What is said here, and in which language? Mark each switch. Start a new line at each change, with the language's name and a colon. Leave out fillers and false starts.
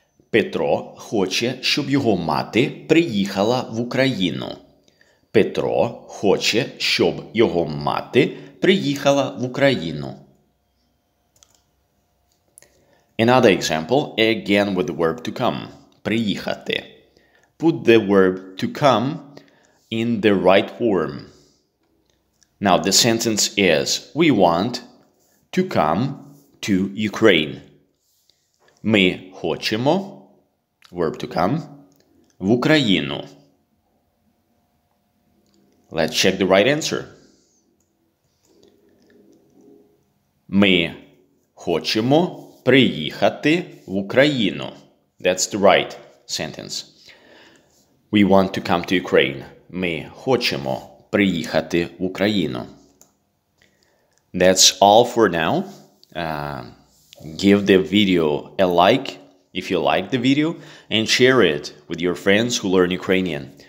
Ukrainian: Петро хоче, щоб його мати приїхала в Україну. Петро хоче, щоб його мати приїхала в Україну.
English: Another example, again with the verb to come.
Ukrainian: Приїхати.
English: Put the verb to come in the right form. Now the sentence is: We want to come to Ukraine.
Ukrainian: Ми хочемо,
English: verb to come,
Ukrainian: в Україну.
English: Let's check the right answer.
Ukrainian: Ми хочемо приїхати в Україну.
English: That's the right sentence. We want to come to Ukraine.
Ukrainian: Ми хочемо приїхати в Україну.
English: That's all for now. Give the video a like if you like the video and share it with your friends who learn Ukrainian.